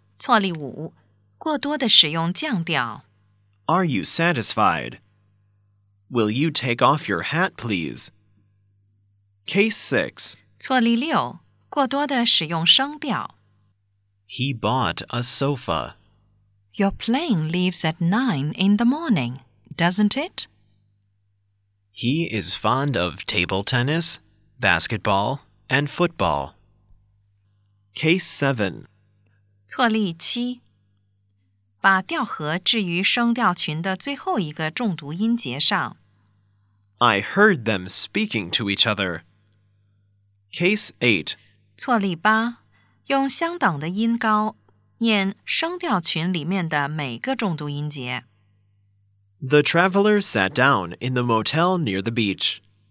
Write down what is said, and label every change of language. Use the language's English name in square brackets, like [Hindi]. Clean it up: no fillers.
[Chinese] 错例五过多的使用降调。 [English] Are you satisfied? Will you take off your hat, please? Case 6. [Chinese] 错例六过多的使用升调。 [English] He bought a sofa. Your plane leaves at 9 in the morning, doesn't it? He is fond of table tennis, basketball, and football. Case 7. [Chinese] 错例七把调和置于声调群的最后一个重读音节上。 [English] I heard them speaking to each other. Case 8. [Chinese] 错例八用相等的音高念声调群里面的每个重读音节。 [English] The traveler sat down in the motel near the beach.